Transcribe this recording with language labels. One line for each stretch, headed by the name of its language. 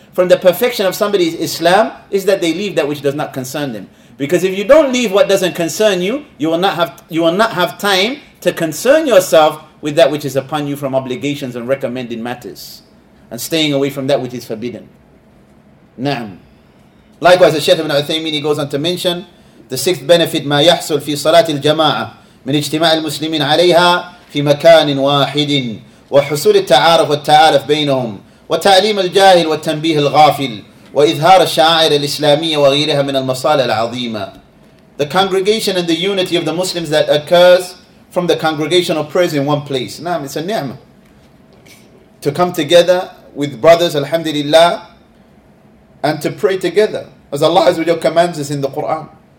English: From the perfection of somebody's Islam is that they leave that which does not concern them. Because if you don't leave what doesn't concern you, you will not have time to concern yourself with that which is upon you from obligations and recommended matters, and staying away from that which is forbidden. Na'am. Likewise, the Shaykh ibn Uthaymeen, he goes on to mention the sixth benefit,
Arabic: ما يحصل في صلاة الجماعة من اجتماع المسلمين عليها في مكان واحد وحصول التعارف والتعارف بينهم وتعليم الجاهل والتنبيه الغافل وإظهار الشعائر الإسلامية وغيرها من المصالح العظيمة.
English: The congregation and the unity of the Muslims that occurs from the congregation of prayers in one place. Naam, it's a ni'mah. To come together with brothers, alhamdulillah, and to pray together, as Allah Azza wa Jalla commands us in the Quran.